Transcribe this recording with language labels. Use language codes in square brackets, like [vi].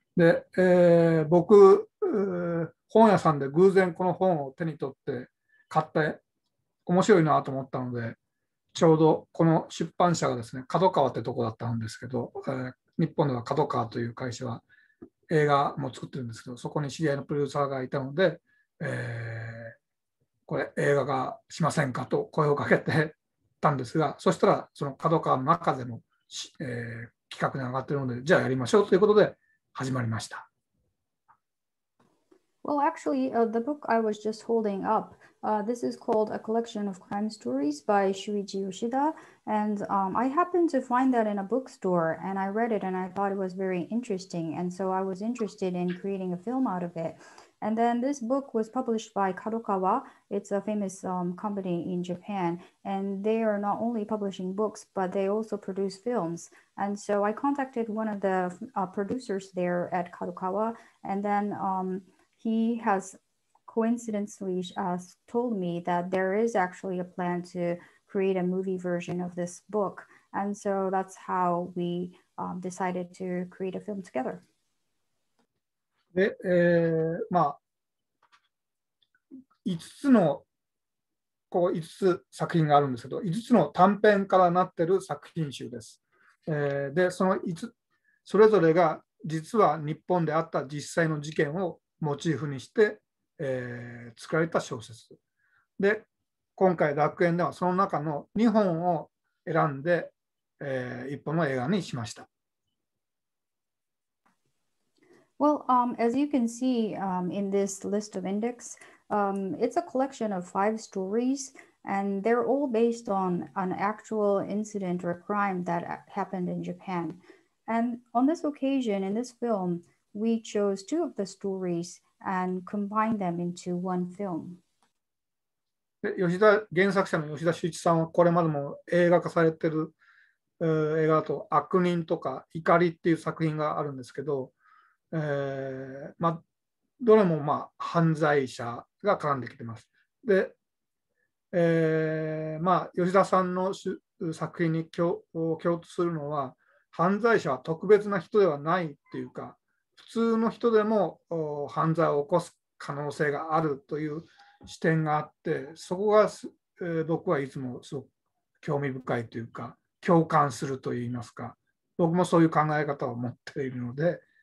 [ja] で、僕本屋さんで偶然この本を手に取って買って、面白いなと思ったので、ちょうどこの出版社がですね、角川ってとこだったんですけど、日本では角川という会社は映画も作ってるんですけど、そこに知り合いのプロデューサーがいたので、これ映画がしませんかと声をかけてたんですが、そしたらその角川の中でも企画に上がっているので、じゃあやりましょうということで始まりました。 [en] Well, actually, the book I was just holding up, this is called A Collection of Crime Stories by Shuichi Yoshida. And I happened to find that in a bookstore, and I read it and I thought it was very interesting. And so I was interested in creating a film out of it. And then this book was published by Kadokawa. It's a famous company in Japan. And they are not only publishing books, but they also produce films. And so I contacted one of the producers there at Kadokawa. And then he has coincidentally told me that there is actually a plan to create a movie version of this book. And so that's how we decided to create a film together. [ja] で、5つのこう5つ作品があるんですけど、5つの短編からなってる作品集です。で、その5つそれぞれが実は日本であった実際の事件をモチーフにして、作られた小説で、今回楽園ではその中の2本を選んで、一本の映画にしました。 [en] Well, as you can see in this list of index, it's a collection of 5 stories, and they're all based on an actual incident or crime that happened in Japan. And on this occasion, in this film, we chose 2 of the stories and combined them into 1 film. [ja] 吉田、原作者の吉田修一さんはこれまでも映画化されてる、映画と悪人とか怒りっていう作品があるんですけど、まあ、どれもまあ犯罪者が絡んできてます。で、まあ、吉田さんの作品に共通するのは、犯罪者は特別な人ではないっていうか、普通の人でも犯罪を起こす可能性があるという視点があって、そこが、僕はいつもすごく興味深いというか、共感するといいますか、僕もそういう考え方を持っているので。